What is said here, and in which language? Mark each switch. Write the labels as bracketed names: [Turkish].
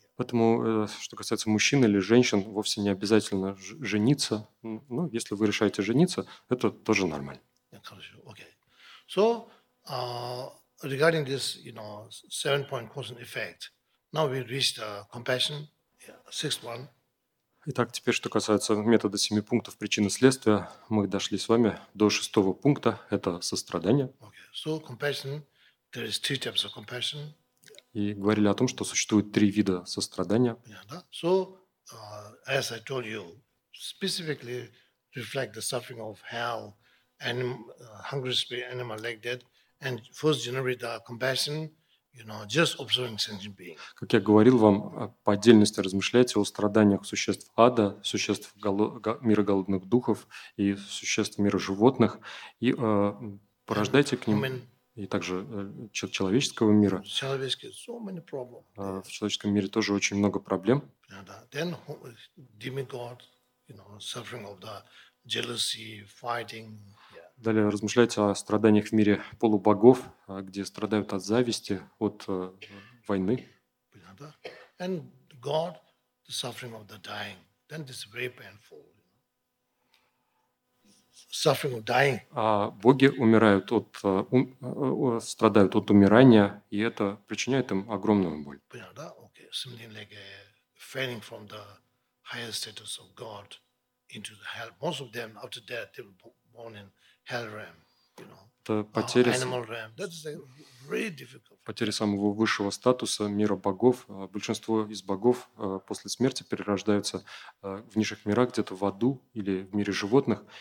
[Russian] Поэтому, что касается мужчин или женщин, вовсе не обязательно жениться. Ну, если вы решаете жениться, это тоже нормально. [English] Okay. So, regarding this, you know, seven-point cause and effect, now we've reached compassion, sixth one. [Russian] Итак, теперь, что касается метода семи пунктов причины следствия, мы дошли с вами до шестого пункта, это сострадание. [English] Okay. So, compassion, there is two types of compassion. [Russian] И говорили о том, что существует три вида сострадания. [English] Yeah, [Russian] да? [English] So, as I told you, specifically reflect the suffering of hell and hungry spirit, animal like that, and first generate the compassion, you know, just observing sentient being. [Russian] Как я говорил вам, по отдельности размышляйте о страданиях существ ада, существ мира голодных духов и существ мира животных, и порождайте к ним. И также человеческого мира. [English] So many problems. [Russian] В человеческом мире тоже очень много проблем. [English] Then demigod, you know, suffering of the jealousy, fighting. [Russian] Далее размышляйте о страданиях в мире полубогов, где страдают от зависти, от войны. [English] And God, the suffering of the dying. Then this is very painful. Suffering of dying. [Russian] А боги умирают от страдают от умирания, и это причиняет им огромную боль. Понятно, да? Okay. [English] Something like falling from the higher status of God into the hell. Most of them after death they were born in hell realm, you know. Animal realm. That is really difficult. [Russian] Потеря самого высшего статуса мира богов. Большинство из богов после смерти перерождаются в низших мирах, где-то в аду или в мире животных.